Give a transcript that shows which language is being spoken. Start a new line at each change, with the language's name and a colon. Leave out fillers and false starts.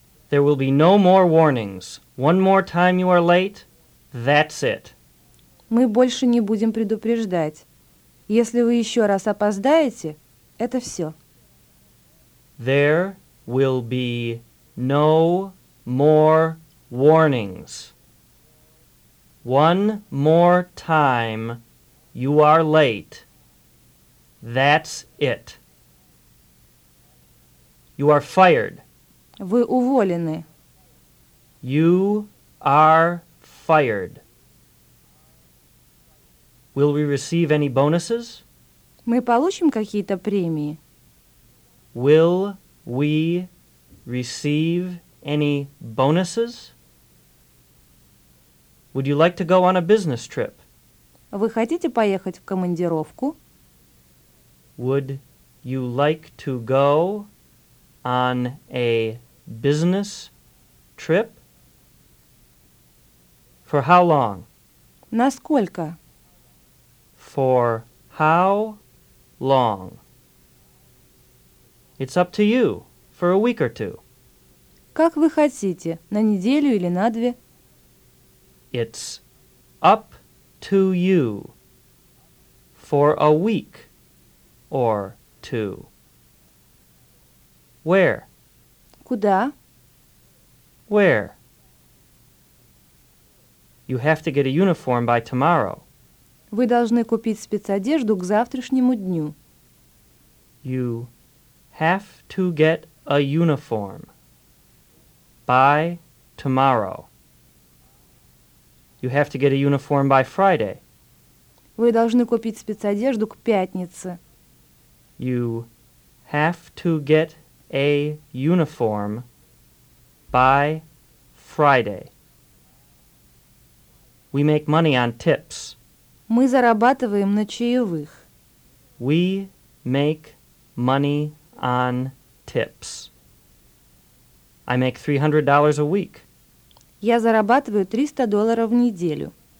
English: There will be no more warnings. One more time you are late, that's it.
Russian: Мы больше не будем предупреждать. Если вы еще раз опоздаете, это все.
English: There will be no more warnings. One more time you are late. That's it. You are fired.
Russian: Вы уволены.
English: You are fired. Will we receive any bonuses?
Russian: Мы получим какие-то премии.
English: Will we receive any bonuses? Would you like to go on a business trip?
Russian: Вы хотите поехать в командировку?
English: Would you like to go on a business trip? For how long?
Russian: На сколько?
English: For how long? It's up to you, for a week or two.
Russian: Как вы хотите, на неделю или на две?
English: It's up to you, for a week or two. Where?
Russian: Куда?
English: Where? You have to get a uniform by tomorrow.
Russian: Вы должны купить спецодежду к завтрашнему дню.
English: You have to get a uniform by tomorrow. You have to get a uniform by Friday.
Russian: Вы должны купить спецодежду к пятнице.
English: You have to get a uniform by Friday. We make money on tips.
Russian: Мы зарабатываем на чаевых.
English: We make money on tips. I make $300 a week.
Russian: Я зарабатываю $300 в неделю.